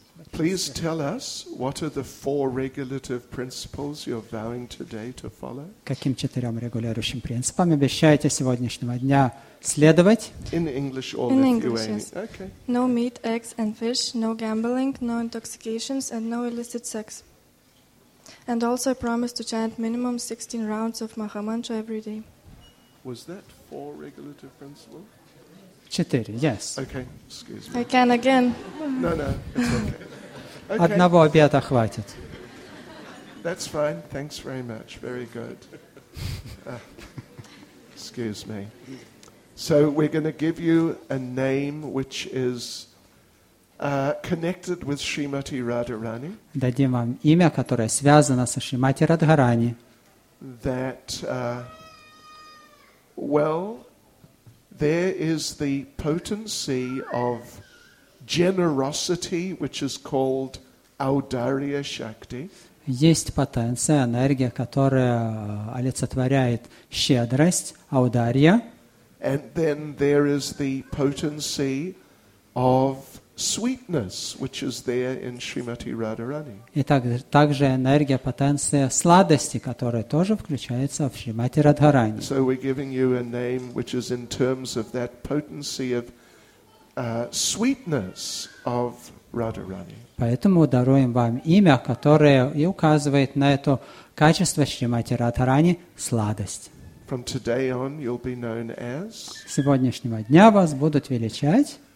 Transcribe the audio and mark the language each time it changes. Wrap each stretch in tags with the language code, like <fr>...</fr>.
<en>Please tell us what are the four regulative principles you're vowing today to follow?</en> <ru>Каким четырем регулирующим принципам обещаете сегодняшнего дня следовать?</ru> <en>In English, all in English, yes. Okay. No meat, eggs, and fish. No gambling. No intoxications. And no illicit sex. And also, I promise to chant minimum 16 rounds of Maha Mantra every day. Was that four regulative principles?</en> <ru>Четыре, yes.</ru> <en>Okay, excuse me. I can again. No, it's okay. Okay.</en> <ru>Одного обета хватит.</ru> <en>That's fine, thanks very much, very good. Excuse me. So we're going to give you a name which is connected with Srimati Radharani.</en> <ru>Дадим вам имя, которое связано со Шримати Радхарани.</ru> <en>That, well... There is the potency of generosity, which is called Audarya Shakti.</en> <ru>Есть потенция, энергия, которая олицетворяет щедрость, Audarya.</ru> <en>And then there is the potency of sweetness, which is there in Srimati Radharani.</en> <ru>И также энергия, потенция сладости, которая тоже включается в Шримати Радхарани.</ru> <en>So we're giving you a name which is in terms of that potency of sweetness of Radharani.</en> <ru>Поэтому даруем вам имя, которое и указывает на это качество Шримати Радхарани – сладость.</ru> <en>From today on, you'll be known as...</en> <ru>С сегодняшнего дня вас будут величать...</ru>